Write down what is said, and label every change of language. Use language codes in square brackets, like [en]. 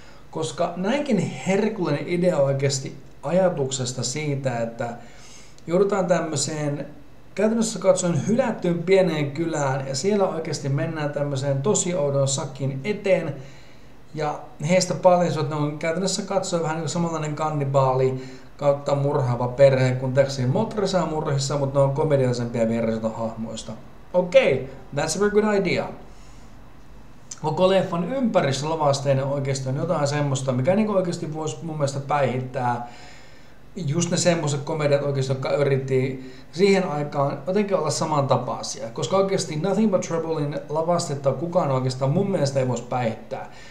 [fi] Koska näinkin herkullinen idea oikeasti ajatuksesta siitä, että joudutaan tämmöiseen käytännössä katsoen hylättyyn pieneen kylään ja siellä oikeasti mennään tämmöiseen tosi oudon sakin eteen ja heistä paljastuu, että ne on käytännössä katsoen vähän niin kuin samanlainen kannibaali kautta murhaava perhe kuin Texasin moottorisahamurhissa, mutta ne on komediallisempia versioita hahmoista. [en] Okei, okay, that's a very good idea. [fi] Koko leffan ympärissä lavasteinen oikeasti on jotain semmoista, mikä niin oikeasti voisi mun mielestä päihittää just ne semmoiset komediat oikeasti, jotka yritti siihen aikaan jotenkin olla samantapaisia. Koska oikeasti Nothing But Troublein lavastetta kukaan oikeastaan mun mielestä ei voisi päihittää.